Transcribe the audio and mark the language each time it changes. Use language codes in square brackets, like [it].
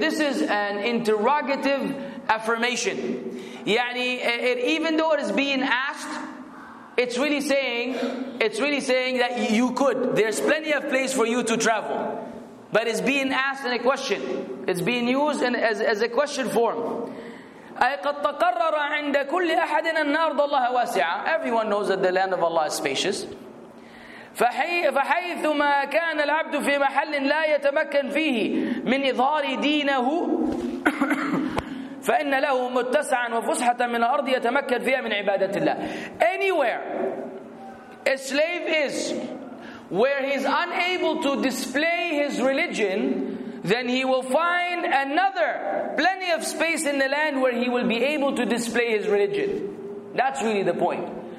[en] This is an interrogative affirmation. يعني it, even though it is being asked, it's really saying that you could. There's plenty of place for you to travel. But it's being asked in a question. It's being used in, as a question form. [ar] أي قد تقرر عند كل أحد أن أرض الله واسعة. [en] Everyone knows that the land of Allah is spacious. [ar] فحيثما كان العبد في محل لا يتمكن فيه من إظهار دينه فإن له متسعا وفسحة من الأرض يتمكن فيها من عبادة الله. [en] Anywhere a slave is where he's unable to display his religion, then he will find another plenty of space in the land where he will be able to display his religion. That's really the point.